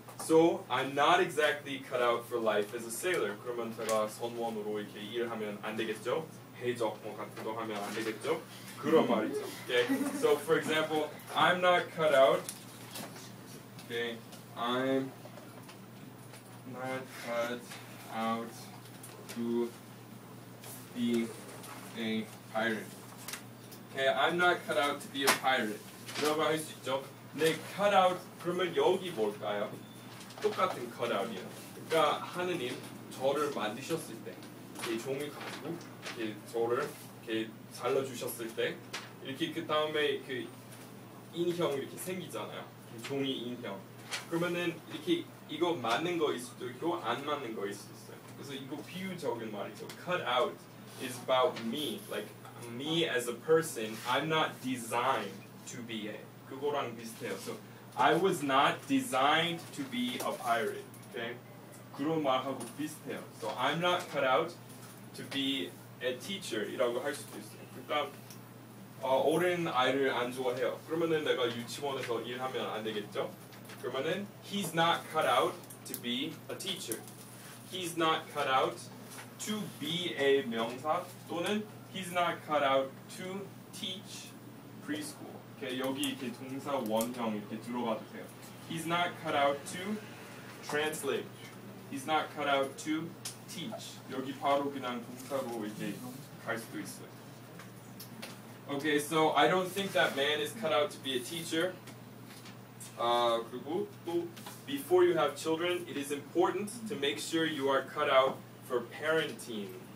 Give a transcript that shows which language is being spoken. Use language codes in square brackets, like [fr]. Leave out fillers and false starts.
[en] So I'm not exactly cut out for life as a sailor. [ko] 그러면 제가 선원으로 이렇게 일하면 안 되겠죠? 해적 뭐 같은 거 하면 안 되겠죠? 그런 말이죠. [en] Okay. So for example, I'm not cut out. Okay. I'm not cut out to be a pirate. Okay, I'm not cut out to be a pirate. [ko] 이라고 할 수 있죠? 근데 cut out, 그러면 여기 뭘까요? 똑같은 cut out이에요. 그러니까 하느님 저를 만드셨을 때 이렇게 종이 가지고 이렇게 저를 이렇게 잘라주셨을 때 이렇게 그 다음에 그 인형 이렇게 생기잖아요. 종이 인형. 그러면은 이렇게 이거 맞는 거일 수도 있고 안 맞는 거일 수도 있어요. 그래서 이거 비유적인 말이죠. [en] Cut out is about me. Like, me as a person, I'm not designed to be a. [ko] 그거랑 비슷해요. [en] So, I was not designed to be a pirate. [ko] Okay? 그런 말하고 비슷해요. [en] So, I'm not cut out to be a teacher. [ko] 이라고 할 수도 있어요. 일단, 어린 아이를 안 좋아해요. 그러면은 내가 유치원에서 일하면 안 되겠죠? 그러면은, [en] he's not cut out to be a teacher. He's not cut out to be a 명사 또는 He's not cut out to teach preschool. [ko] Okay, 여기 이렇게 동사 원형 이렇게 들어가도 돼요. [en] He's not cut out to translate. He's not cut out to teach. [ko] 여기 바로 그냥 동사로 이렇게 갈 수도 있어요. [en] Okay, so I don't think that man is cut out to be a teacher. [ko] 그리고 또 [en] before you have children, it is important to make sure you are cut out for parenting.